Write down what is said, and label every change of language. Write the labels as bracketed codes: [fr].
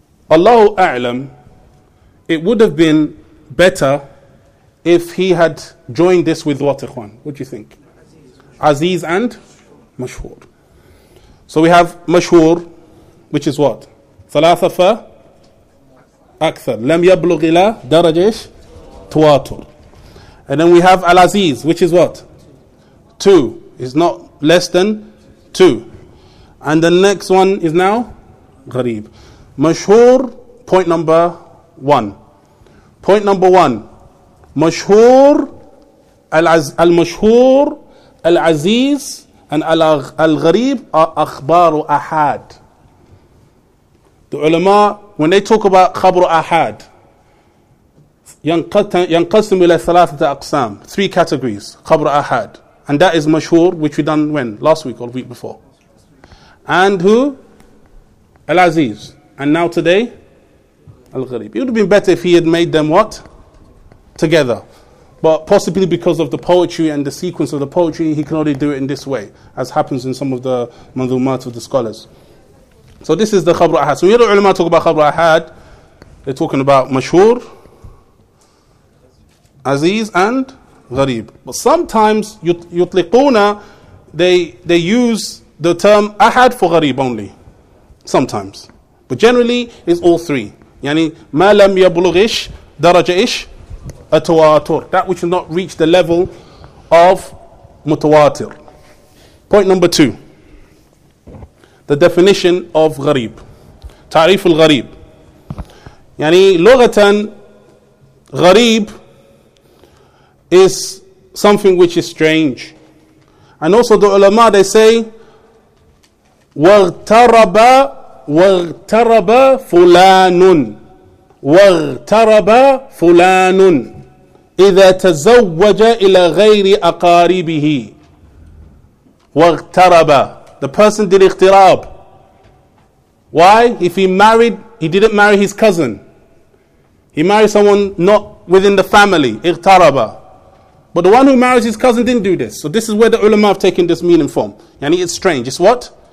[en] Allahu a'lam, it would have been better if he had joined this with what, ikhwan? What do you think? Aziz and mashhur. So we have mashhur, which is what? [ar] Thalatha fa أكثر لم يبلغ إلى درجة تواتر. [en] And then we have Al-Aziz, which is what? Two. It's not less than two. And the next one is now غريب. مشهور, point number one. Point number one. [ar] مشهور المشهور العزيز and الغريب أخبار أحد. [en] The ulama, when they talk about khabru ahad, [ar] yanqasim ila thalathata aqsam, [en] three categories, khabru ahad. And that is mashhur, which we done when? Last week or the week before. And who? Al-Aziz. And now today? Al-Gharib. It would have been better if he had made them what? Together. But possibly because of the poetry and the sequence of the poetry, he can only do it in this way, as happens in some of the manzumat of the scholars. So this is the Khabr Ahad. So when the ulama talk about Khabr Ahad, they're talking about Mashur, Aziz, and Gharib. But sometimes Yutliquna, they use the term Ahad for Gharib only. Sometimes. But generally, it's all three. [ar] Yani, ما لم يبلغش درجعش التواتر. [en] That which has not reached the level of متواتر. Point number two. The definition of gharib. Ta'rif al-gharib. Yani, lughatan, gharib is something which is strange. And also the ulama, they say, wa'taraba [ar] واغترب فلان واغترب فلان إذا تزوج إلى غير أقاربه واغترب. [en] The person did اغتراب. Why? If he married, he didn't marry his cousin. He married someone not within the family. [ar] اغترب. [en] But the one who marries his cousin didn't do this. So this is where the ulama have taken this meaning from. Yani it's strange. It's what?